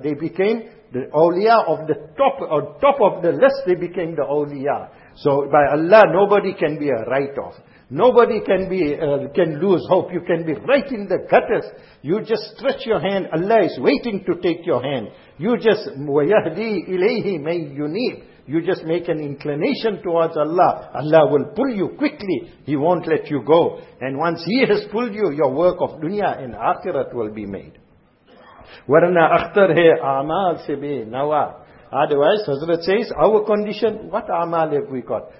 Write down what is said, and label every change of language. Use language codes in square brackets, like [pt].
[en] They became the awliya of the top, or top of the list, they became the awliya. So by Allah, nobody can be a write-off. Nobody can lose hope. You can be right in the gutters. You just stretch your hand. Allah is waiting to take your hand. You just, [ar] وَيَهْدِي إِلَيْهِ مَنْ يُنِيبُ. [en] You just make an inclination towards Allah. Allah will pull you quickly. He won't let you go. And once He has pulled you, your work of dunya and akhirat will be made. [ur] وَرَنَا أَخْتَرْ هَيْ أَعْمَالْ سِبِي نَوَى. [en] Otherwise, Hazrat says, our condition, what amal have we got?